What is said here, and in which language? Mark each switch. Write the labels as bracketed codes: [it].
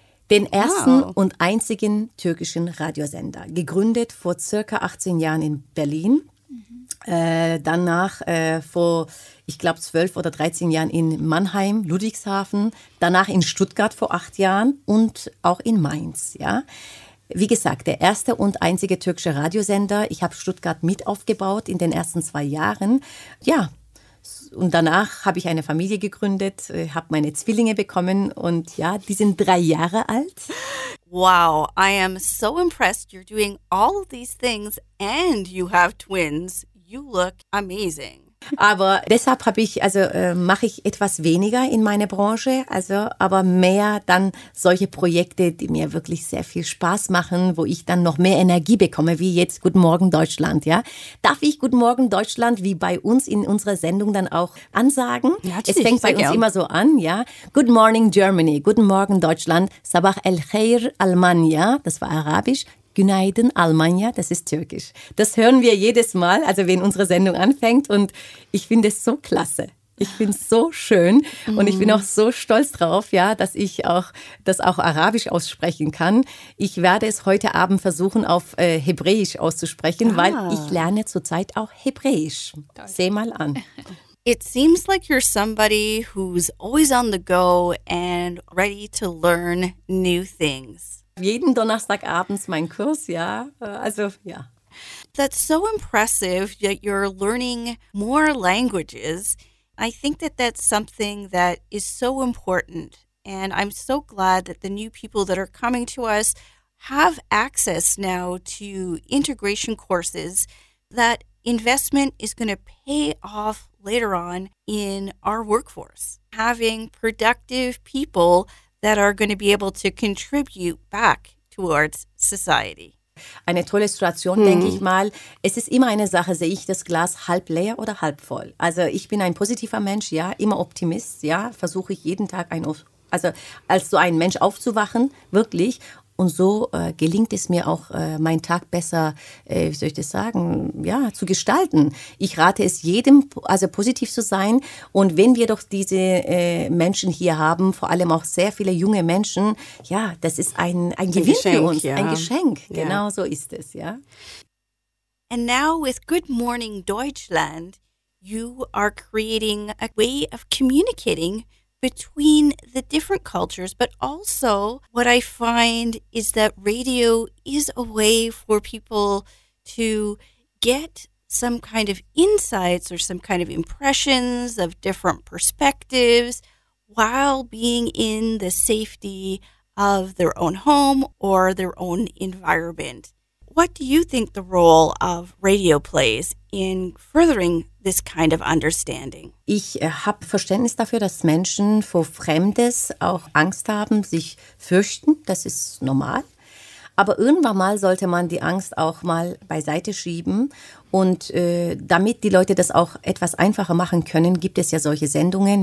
[de] Den ersten und einzigen türkischen Radiosender, gegründet vor circa 18 Jahren in Berlin, danach vor, ich glaube, 12 oder 13 Jahren in Mannheim, Ludwigshafen, danach in Stuttgart vor 8 Jahren und auch in Mainz, ja. Wie gesagt, der erste und einzige türkische Radiosender, ich habe Stuttgart mit aufgebaut in den ersten 2 Jahren, ja. Und danach habe ich eine Familie gegründet, habe meine Zwillinge bekommen und ja, die sind 3 Jahre alt. [en] Wow, I am so impressed. You're doing all of these things and you have twins. You look amazing. [de] Aber deshalb habe ich, also mache ich etwas weniger in meiner Branche, also aber mehr dann solche Projekte, die mir wirklich sehr viel Spaß machen, wo ich dann noch mehr Energie bekomme, wie jetzt Guten Morgen Deutschland, ja. Darf ich Guten Morgen Deutschland, wie bei uns in unserer Sendung dann auch ansagen? Natürlich, es fängt bei uns immer so an, ja. [en] Good morning Germany, [de] Guten Morgen Deutschland, [ar] Sabah el Khair Almanya, [de] das war Arabisch. [tr] Günaydın Almanya, [de] das ist Türkisch. Das hören wir jedes Mal, also wenn unsere Sendung anfängt und ich finde es so klasse. Ich finde es so schön und ich bin auch so stolz drauf, ja, dass ich auch das auch Arabisch aussprechen kann. Ich werde es heute Abend versuchen, auf Hebräisch auszusprechen, weil ich lerne zurzeit auch Hebräisch. Seh mal an. [en] It seems like you're somebody who's always on the go and ready to learn new things. [de] Jeden Donnerstagabend mein Kurs, ja. Also, ja. [en] That's so impressive that you're learning more languages. I think that that's something that is so important. And I'm so glad that the new people that are coming to us have access now to integration courses. That investment is going to pay off later on in our workforce. Having productive people that are going to be able to contribute back towards society. [de] Eine tolle Situation, denke ich mal. Es ist immer eine Sache, sehe ich das Glas halb leer oder halb voll. Also ich bin ein positiver Mensch, ja, immer Optimist, ja, versuche ich jeden Tag als so ein Mensch aufzuwachen, wirklich. Und so gelingt es mir auch, meinen Tag besser, wie soll ich das sagen, ja, zu gestalten. Ich rate es jedem, also positiv zu sein. Und wenn wir doch diese Menschen hier haben, vor allem auch sehr viele junge Menschen, ja, das ist ein Gewinn Geschenk, für uns, ja. Ein Geschenk. Genau, ja. So ist es, ja. [en] And now with Good Morning Deutschland, you are creating a way of communicating between the different cultures, but also what I find is that radio is a way for people to get some kind of insights or some kind of impressions of different perspectives while being in the safety of their own home or their own environment. What do you think the role of radio plays in furthering this kind of understanding? [de] Ich habe Verständnis dafür, dass Menschen vor Fremdes auch Angst haben, sich fürchten. Das ist normal. Aber irgendwann mal sollte man die Angst auch mal beiseite schieben. Und damit die Leute das auch etwas einfacher machen können, gibt es ja solche Sendungen.